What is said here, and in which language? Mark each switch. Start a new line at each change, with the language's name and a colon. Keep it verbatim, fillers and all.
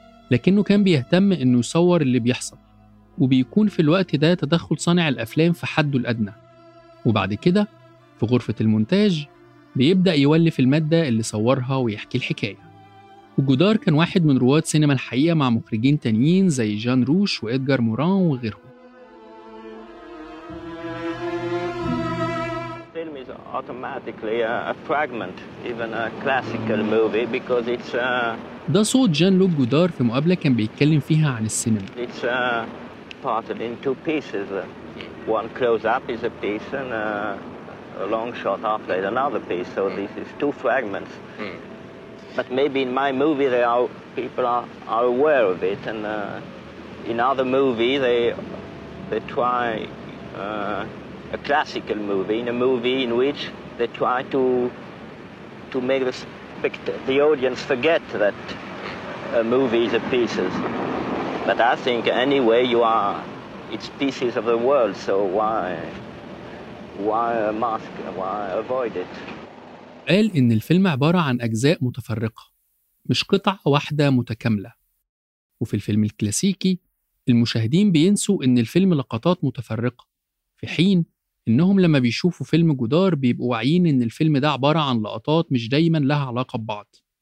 Arabic: لكنه كان بيهتم إنه يصور اللي بيحصل، وبيكون في الوقت ده تدخل صانع الأفلام في حده الأدنى، وبعد كده في غرفة المونتاج بيبدأ يولف المادة اللي صورها ويحكي الحكاية. وجودار كان واحد من رواد سينما الحقيقة مع مخرجين تانيين زي جان روش وإدجار موران وغيرهم.
English: automatically a fragment even a classical movie because it's a
Arabic: ده صوت جان لوك جودار في مقابلة كان بيتكلم فيها عن السينما.
English: It's a parted in two pieces. One close up is a piece and a, a long shot after it another piece. So this is two fragments. But maybe in my movie they are people are, are aware of it and uh, in other movie they they try uh, a classical movie, in a movie in which they try to to make the, spect- the audience forget that a movie is a pieces. But I think anyway you are, it's pieces of the world, so why, why mask, why avoid it?
Arabic: قال إن الفيلم عبارة عن أجزاء متفرقة مش قطعة واحدة متكاملة. وفي الفيلم الكلاسيكي المشاهدين بينسوا إن الفيلم لقطات متفرقة، في حين إنهم لما بيشوفوا فيلم جودار بيبقوا واعيين إن الفيلم ده عبارة عن لقطات مش دايماً لها علاقة ببعض.